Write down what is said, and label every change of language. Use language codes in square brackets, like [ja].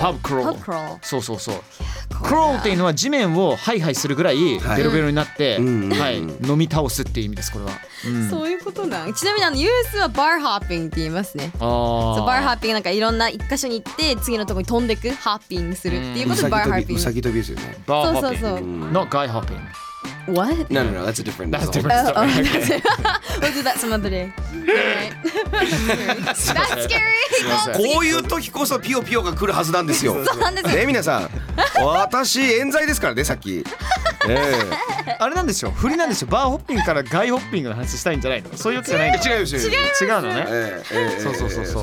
[ja] パブクロール、そうそうそう、クロールっていうのは地面をハイハイするぐらいベロベロになって、はい、飲み倒すっていう意味です、これは、うん、そういうことなん、ちなみにあの US はバーハッピングって言いますね、あーバーハッピング、なんかいろんな一箇所に行って次のとこに飛んでく、ハッピングするっていうことでバーハッピング、うさぎ飛びですよね、バーハッピング、そうそうそう、 [en] not guy hopping、 What? No, no, no, that's a different story. That's a different story. Okay. We'll do that some other day. That's scary! [ja] こういう時こそピヨピヨが来るはずなんですよ。そうなんですよ。ね、皆さん、私、冤罪ですからね、さっき。あれなんですよ、振りなんですよ、バーホッピングからガイホッピングの話したいんじゃないの、そういうわけじゃないの、違うんですよ、違うのね、そうそうそうそう、